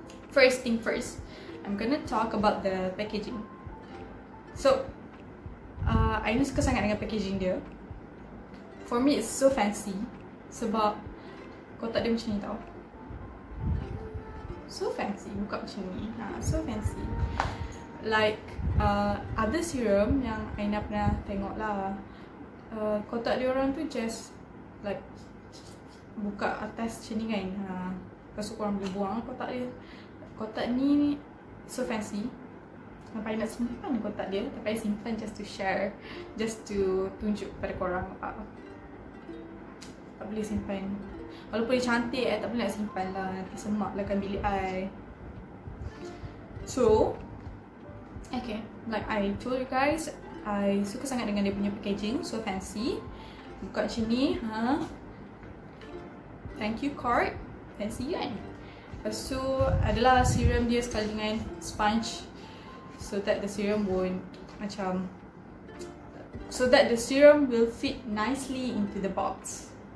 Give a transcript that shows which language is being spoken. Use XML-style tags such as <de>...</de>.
<en>First thing first, I'm gonna talk about the packaging.</en> <ms>So, I suka sangat dengan packaging dia.</ms> <en>For me, it's so fancy.</en> <ms>Sebab kotak dia macam ni tau.</ms> <en>So fancy,</en> <ms>buka macam ni. So fancy.</ms> <en>Like, other serum</en> <ms>yang Aina pernah tengok lah. Kotak dia orang tu just like buka atas macam ni kan. Lepas tu korang boleh buang kotak dia. Kotak ni so fancy. Nampaknya nak simpan kotak dia, tapi simpan</ms> <en>just to share,</en> <ms>just to tunjuk kepada korang. Tak boleh simpan. Walaupun dia cantik, tak boleh nak simpan lah. Nanti semak lah kan bilik I.</ms> <en>So okay, like I told you guys,</en> <ms>I suka sangat dengan dia punya packaging,</ms> <en>so fancy.</en> <ms>Buka macam ni, huh?</ms> <en>Thank you card.</en> <ms>Fancy kan? Lepas tu, adalah serum dia sekali dengan sponge.</ms> <en>So that the serum won't macam, so that the serum will fit nicely into the box.</en>